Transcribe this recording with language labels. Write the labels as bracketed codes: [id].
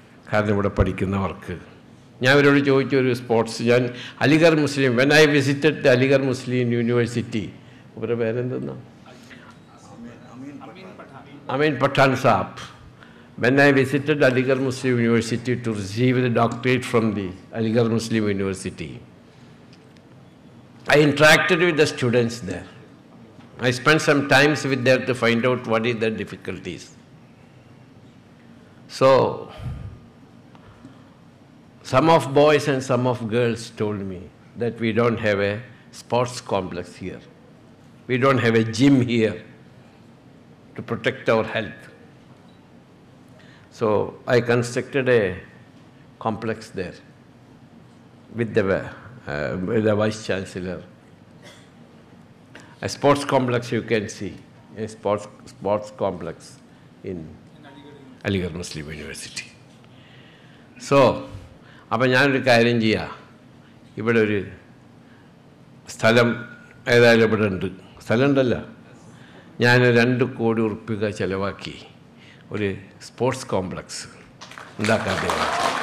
[ml] കാരണം ഇവിടെ പഠിക്കുന്നവർക്ക്, ഞാൻ അവരോട് ചോദിച്ച ഒരു സ്പോർട്സ്, [en] ഞാൻ Aligarh Muslim, when I visited Aligarh Muslim University, [ml] ഇവരുടെ പേരെന്തെന്നാ, [en] Amin Pathan saab, when I visited Aligarh Muslim University to receive the doctorate from the Aligarh Muslim University, I interacted with the students there, I spend some times with there to find out what is the difficulties. So some of boys and some of girls told me that we don't have a sports complex here, we don't have a gym here to protect our health. So I constructed a complex there with the vice chancellor, a sports complex. You can see a sports complex in Aligarh Muslim University. [ml] So അപ്പം ഞാനൊരു കാര്യം ചെയ്യുക, ഇവിടെ ഒരു സ്ഥലം ഏതായാലും ഇവിടെ ഉണ്ട്, സ്ഥലം ഉണ്ടല്ലോ, ഞാൻ 2 കോടി ഉറുപ്പിക ചിലവാക്കി ഒരു സ്പോർട്സ് കോംപ്ലക്സ് ഉണ്ടാക്കാൻ തരുന്നത്.